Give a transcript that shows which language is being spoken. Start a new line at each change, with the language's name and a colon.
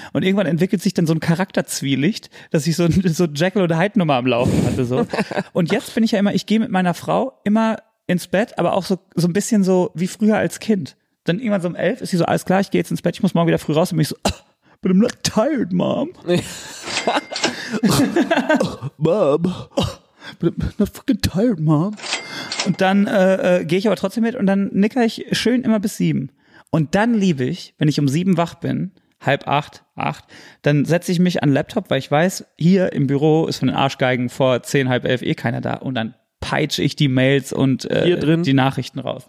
German: Und irgendwann entwickelt sich dann so ein Charakterzwielicht, dass ich so Jekyll oder Hyde-Nummer am Laufen hatte. So. Und jetzt bin ich ja immer, ich gehe mit meiner Frau immer ins Bett, aber auch so ein bisschen so wie früher als Kind. Dann irgendwann so um 11 ist sie so, alles klar, ich gehe jetzt ins Bett, ich muss morgen wieder früh raus. Und bin ich so,
English: but I'm not tired, Mom. Mom. I'm not fucking tired, Mom.
German: Und dann gehe ich aber trotzdem mit und dann nicker ich schön immer bis 7. Und dann liebe ich, wenn ich um 7 wach bin, 7:30, 8, dann setze ich mich an den Laptop, weil ich weiß, hier im Büro ist von den Arschgeigen vor 10:30 eh keiner da. Und dann peitsche ich die Mails und die Nachrichten raus.